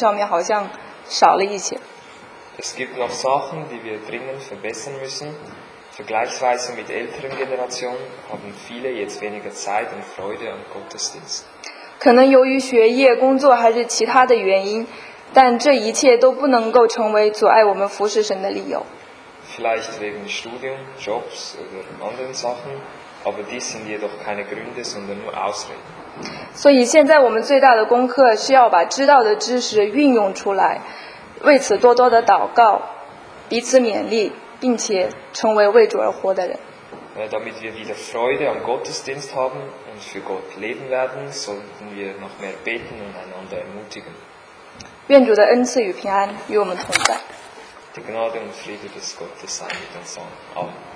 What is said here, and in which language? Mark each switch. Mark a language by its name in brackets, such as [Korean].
[Chinese] 但是惭愧的是，与往年相比，我们这群年轻人在服事的热情上面好像少了一些。 [German] Es gibt noch Sachen, die wir dringend verbessern müssen. Vergleichsweise mit älteren Generationen haben viele jetzt weniger Zeit und Freude am Gottesdienst. [Chinese] 可能由于学业、工作还是其他的原因，但这一切都不能够成为阻碍我们服事神的理由。 [German] Vielleicht wegen Studium, Jobs oder anderen Sachen, aber dies sind jedoch keine Gründe, sondern nur Ausreden. [Chinese] 所以现在我们最大的功课是要把知道的知识运用出来。为此多多的祷告，彼此勉励，并且成为为主而活的人。 [German] Damit wir wieder Freude am Gottesdienst haben und für Gott leben werden, sollten wir noch mehr beten und einander ermutigen. [Chinese] 愿主的恩赐与平安与我们同在。 [German] Die Gnade und Friede des Gottes sei mit uns allen.